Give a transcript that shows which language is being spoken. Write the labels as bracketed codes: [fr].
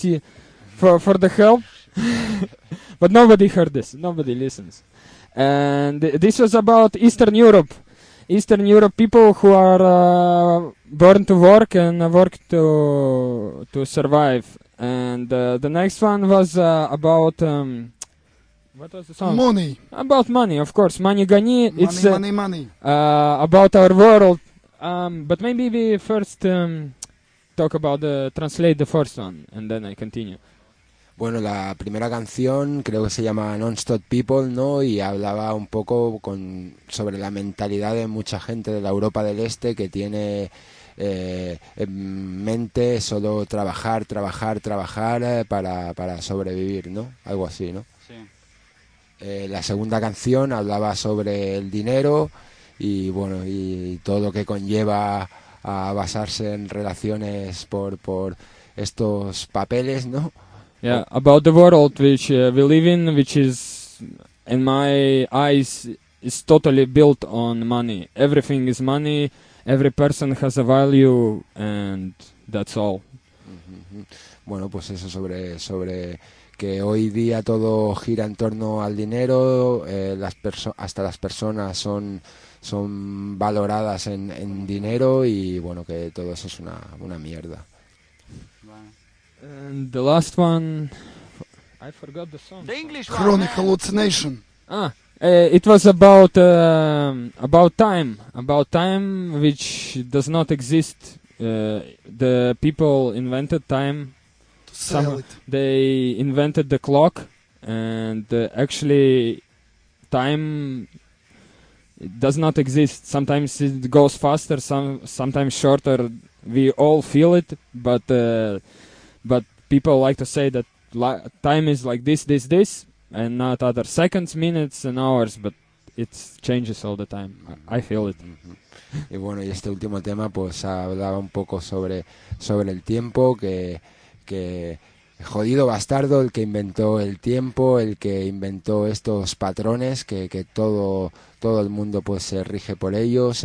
[en] T, for the help, but nobody heard this, nobody listens, and this was about Eastern Europe people who are born to work and work to survive, and the next one was about, what was the song? Money. About money, of course, Money Gani, it's money. About our world. But maybe we first talk about the translate the first one and then I continue. [es] Bueno, la primera canción creo que se llama Non-Stop People, ¿no? Y hablaba un poco sobre la mentalidad de mucha gente de la Europa del Este que tiene en mente solo trabajar para sobrevivir, ¿no? Algo así, ¿no? Sí. La segunda canción hablaba sobre el dinero. Y bueno, y todo lo que conlleva a basarse en relaciones por estos papeles, ¿no? [en] Yeah, about the world which we live in, which is, in my eyes, is totally built on money. Everything is money, every person has a value, and that's all. Mm-hmm. [es] Bueno, pues eso sobre que hoy día todo gira en torno al dinero, hasta las personas son valoradas en dinero y bueno, que todo eso es una mierda. [en] And the last one, I forgot the song. The English one. Chronic Hallucination. Ah, it was about time which does not exist. The people invented time. To sell Some, it. They invented the clock and actually time it does not exist. Sometimes it goes faster, sometimes shorter. We all feel it, but people like to say that time is like this, and not other seconds, minutes, and hours, but it changes all the time. I feel it. [es] Y bueno, y este último tema pues hablaba un poco sobre el tiempo, que jodido bastardo el que inventó el tiempo, el que inventó estos patrones que todo el mundo pues se rige por ellos.